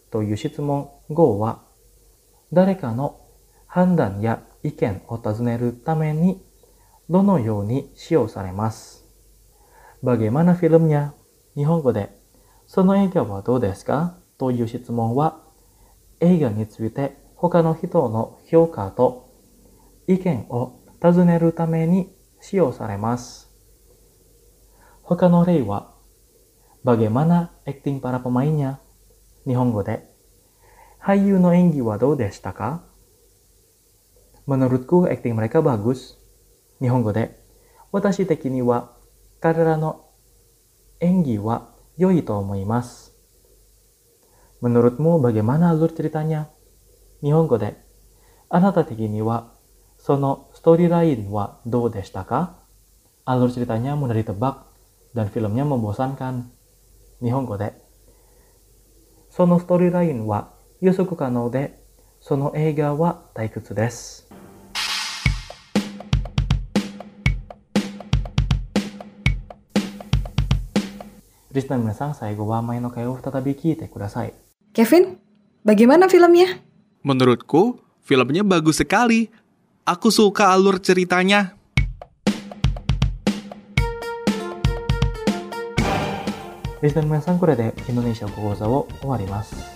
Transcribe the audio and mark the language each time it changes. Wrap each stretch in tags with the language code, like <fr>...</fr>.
<ja>という質問語は、誰かの判断や意見を尋ねるために、どのように使用されます?</ja> <id>Bagaimana filmnya?</id> <ja>日本語で、その映画はどうですか?という質問は、映画について他の人の評価と意見を尋ねるために使用されます。他の例は、</ja> <id>Bagaimana acting para pemainnya?</id> <ja>日本語で、俳優の演技はどうでしたか?</ja> <id>Menurutku acting mereka bagus.</id> <ja>日本語で、私的には彼らの演技は良いと思います。</ja> <id>Menurutmu bagaimana alur ceritanya?</id> <ja>日本語で、あなた的にはそのストーリーラインはどうでしたか?</ja> <id>Alur ceritanya mudah ditebak dan filmnya membosankan.</id> <ja>日本語で、そのストーリーラインは予測可能で、その映画は退屈です。リスナーの皆さん、最後は前の回を再び聞いてください。</ja> <id>Kevin, bagaimana filmnya? Menurutku, filmnya bagus sekali. Aku suka alur ceritanya.</id> <ja>リスナーの皆さん、これでインドネシア語講座を終わります。</ja>